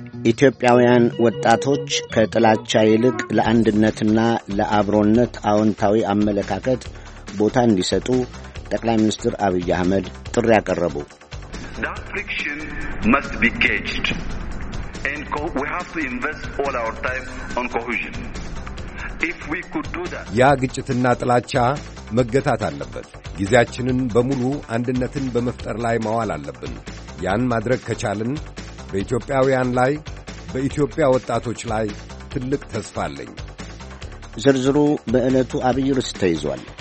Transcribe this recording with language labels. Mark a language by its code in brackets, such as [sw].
[am] ኢትዮጵያውያን ወጣቶች ከጥላቻ ይልቅ ለአንድነትና ለአብሮነት አዎንታዊ አመለካከት ቦታ እንዲሰጡ ጠቅላይ ሚኒስትር አብይ አህመድ ጥሪ አቀረቡ። [en] That friction must be caged. And we have to invest all our time on cohesion. If we could do that. [am] ያ ግጭትና ጥላቻ መገታት አለበት። ጊዜያችንን በሙሉ አንድነትን በመፍጠር ላይ ማዋል አለብን። ያን ማድረግ ከቻልን በኢትዮጵያውያን ላይ በኢትዮጵያ ወጣቶች ላይ ትልቅ ተስፋ አለኝ። ዝርዝሩ በእለቱ አብይ ርዕስ ተይዟል።